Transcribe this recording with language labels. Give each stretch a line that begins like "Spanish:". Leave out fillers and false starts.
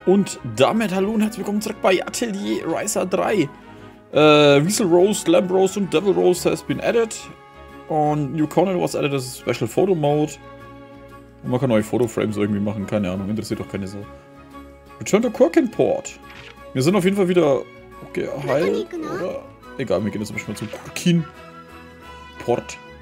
German: Und damit hallo und herzlich willkommen zurück bei Atelier Riser 3.
English: Weasel Rose, Lamb Rose und Devil Rose has been added. Und New Corner was added as a special photo mode.
German: Und man kann neue Fotoframes irgendwie machen, keine Ahnung, interessiert doch keine Sau.
English: Return to Quirkinport.
German: Wir sind auf jeden Fall wieder geheilt, okay, oder? Egal, wir gehen jetzt mal zum Quirkinport.